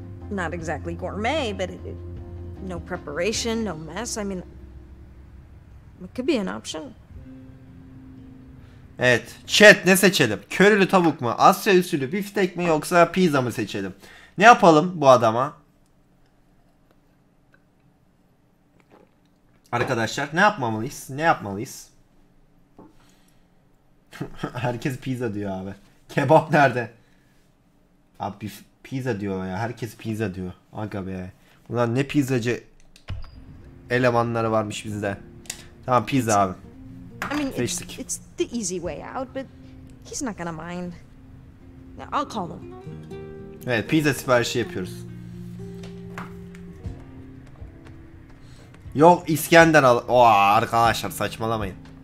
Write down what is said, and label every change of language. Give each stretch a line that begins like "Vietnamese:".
English: Not exactly gourmet, but it, no preparation, no mess. I mean, it could be an option.
Turkish: Evet, chat ne seçelim? Körülü tavuk mu? Asya usulü biftek mi yoksa pizza mı seçelim? Ne yapalım bu adama? Arkadaşlar, ne yapmamalıyız? Ne yapmalıyız? Herkes pizza diyor abi. Kebap nerede? Abi pizza diyor ya. Herkes pizza diyor. Aga be. Bunlar ne pizzacı elemanları varmış bizde. Tamam pizza abi.
English: I mean,
Turkish: seçtik.
English: It's the easy way out, but he's not gonna mind. I'll call him.
Turkish: Evet, pizza siparişi yapıyoruz. Yok İskender al. Oo arkadaşlar saçmalamayın.